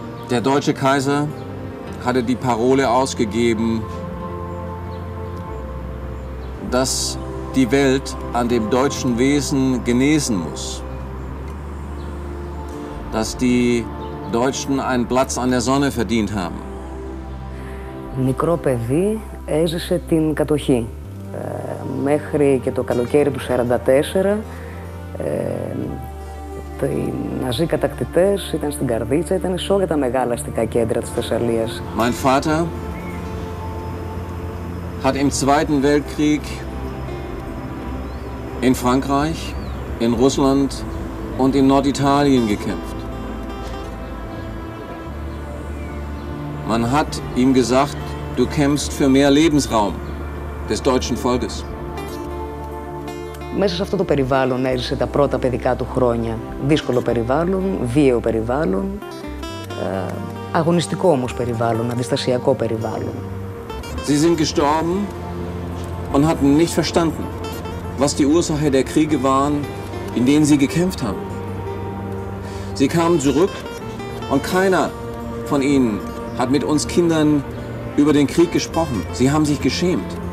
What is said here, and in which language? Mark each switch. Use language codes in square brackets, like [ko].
[de] Der deutsche Kaiser hatte die Parole ausgegeben, dass die Welt an dem deutschen Wesen genesen muss, dass die Deutschen einen Platz an der Sonne verdient haben. [el] Μικρό παιδί έζησε την κατοχή. Μέχρι και το καλοκαίρι του 44, οι ναζί κατακτητές ήταν στην Καρδίτσα, ήταν σε όλα τα μεγάλα αστικά κέντρα της Θεσσαλίας. [de] Mein Vater hat im Zweiten Weltkrieg in Frankreich, in Russland und in Norditalien gekämpft. Man hat ihm gesagt, du kämpfst für mehr Lebensraum des deutschen Volkes. [el] Μέσα σε αυτό το περιβάλλον έζησε τα πρώτα παιδικά του χρόνια. Δύσκολο περιβάλλον, βίαιο περιβάλλον, αγωνιστικό όμως περιβάλλον, αντιστασιακό περιβάλλον. [de] Sie sind gestorben und hatten nicht verstanden, was die Ursache der Kriege waren, in denen sie gekämpft haben. Sie kamen zurück und keiner von ihnen hat mit uns Kindern über den Krieg gesprochen. Sie haben sich geschämt.